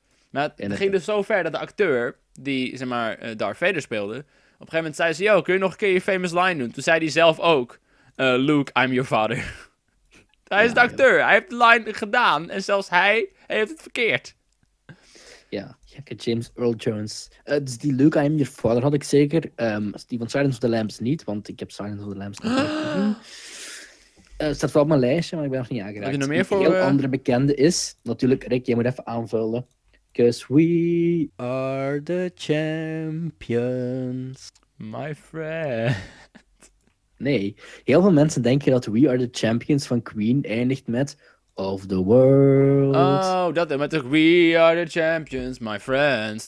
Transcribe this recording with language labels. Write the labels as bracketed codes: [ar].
[nl] Maar het ging dus zo ver dat de acteur, die zeg maar Darth Vader speelde, op een gegeven moment zei ze, yo, kun je nog een keer je [en] famous line [nl] doen? Toen zei hij zelf ook, Luke, [en] I'm your father. [nl] Hij is de acteur, hij heeft de line gedaan en zelfs hij heeft het verkeerd. Ja, James Earl Jones. Dus die Luke, [en] I am your father [nl] had ik zeker. Die van Silence of the Lambs niet, want ik heb Silence of the Lambs staat wel op mijn lijstje, maar ik ben nog niet aangeraakt. Heb je nog meer voor... Een heel andere bekende is, natuurlijk, Rick, jij moet even aanvullen. [en] Because we are the champions, my friend. [nl] Nee, heel veel mensen denken dat We are the champions van Queen eindigt met... [en] Of the world. [nl] Oh, dat met de [en] We are the champions, my friends.